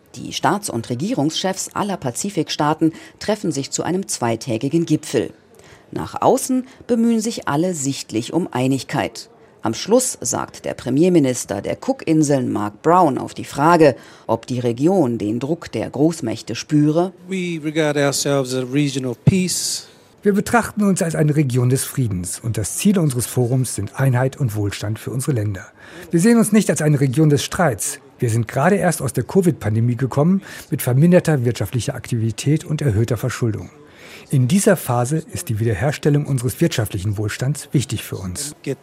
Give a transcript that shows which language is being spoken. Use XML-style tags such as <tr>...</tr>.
<de>Die Staats- und Regierungschefs aller Pazifikstaaten treffen sich zu einem zweitägigen Gipfel. Nach außen bemühen sich alle sichtlich um Einigkeit. Am Schluss sagt der Premierminister der Cookinseln Mark Brown auf die Frage, ob die Region den Druck der Großmächte spüre.</de> <en>We regard ourselves as a region of peace.</en> <de>Wir betrachten uns als eine Region des Friedens und das Ziel unseres Forums sind Einheit und Wohlstand für unsere Länder. Wir sehen uns nicht als eine Region des Streits. Wir sind gerade erst aus der Covid-Pandemie gekommen mit verminderter wirtschaftlicher Aktivität und erhöhter Verschuldung. In dieser Phase ist die Wiederherstellung unseres wirtschaftlichen Wohlstands wichtig für uns.</de>